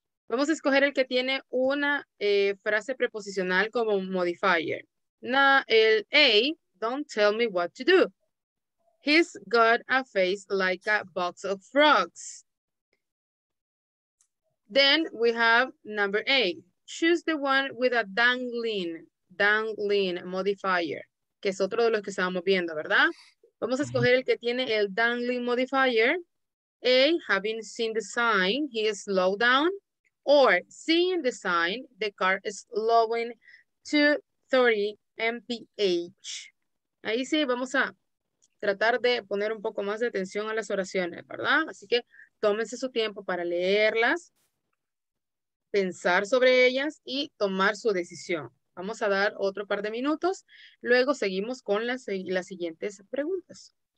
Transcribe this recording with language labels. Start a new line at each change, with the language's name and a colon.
Spanish: Vamos a escoger el que tiene una frase preposicional como modifier.
English: Now, el A, don't tell me what to do. He's got a face like a box of frogs. Then we have number 8. Choose the one with a dangling modifier, que es otro de los que estábamos viendo, ¿verdad?
Spanish: Vamos a escoger el que tiene el dangling modifier.
English: A, having seen the sign, he is slowed down. Or, seeing the sign, the car is slowing to 30 mph.
Spanish: Ahí sí, vamos a tratar de poner un poco más de atención a las oraciones, ¿verdad? Así que tómense su tiempo para leerlas, pensar sobre ellas y tomar su decisión. Vamos a dar otro par de minutos, luego seguimos con las siguientes preguntas.